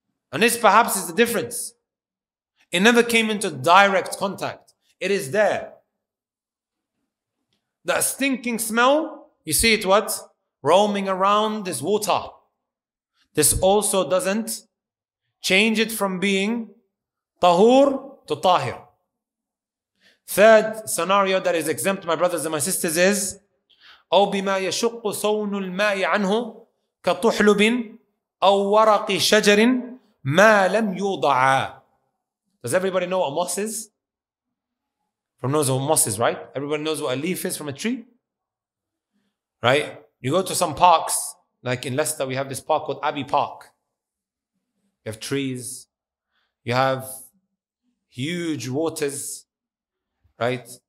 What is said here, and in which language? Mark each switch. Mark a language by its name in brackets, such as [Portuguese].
[English] And this perhaps is the difference. It never came into direct contact. It is there. That stinking smell, you see it what? Roaming around this water. This also doesn't change it from being tahur to tahir. Third scenario that is exempt, my brothers and my sisters, is [Arabic] أو بما يشق صون الماء عنه كطحلب أو ورق شجر ما لم يوضع. [English] Does everybody know what moss is? Everyone knows what moss is, right? Everybody knows what a leaf is from a tree, right? You go to some parks, like in Leicester, we have this park called Abbey Park. You have trees, you have huge waters, right?